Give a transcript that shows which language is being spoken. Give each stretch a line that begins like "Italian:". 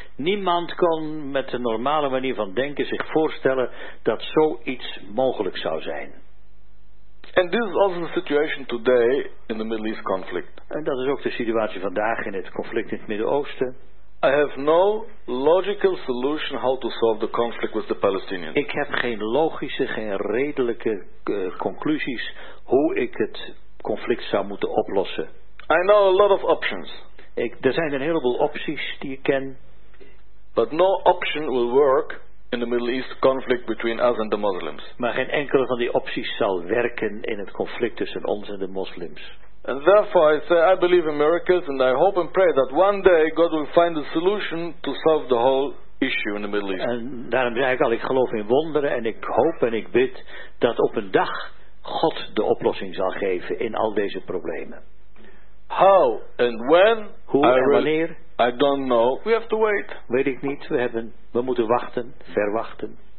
Dutch: Niemand kon met een normale manier van denken zich voorstellen dat zoiets mogelijk zou zijn.
English: And this is also the situation today in the Middle East conflict.
Dutch: En dat is ook de situatie vandaag in het conflict in het Midden-Oosten.
English: I have no logical solution how to solve the conflict with the Palestinians.
Dutch: Ik heb geen logische, geen redelijke conclusies hoe ik het conflict zou moeten oplossen.
English: I know a lot of options.
Dutch: Er zijn een heleboel opties die ik ken.
English: But no option will work in the Middle East conflict between us and the Muslims.
Dutch: Maar geen enkele van die opties zal werken in het conflict tussen ons en de moslims.
English: And therefore I say I believe in miracles and I hope and pray that one day God will find a solution to solve the whole issue in the Middle East.
Dutch: En daarom zeg ik al, ik geloof in wonderen en ik hoop en ik bid dat op een dag God de oplossing zal geven in al deze problemen.
English: How and when?
Dutch: Hoe en wanneer?
English: I don't know. We have to wait.
Dutch: Weet ik niet. We moeten wachten, verwachten.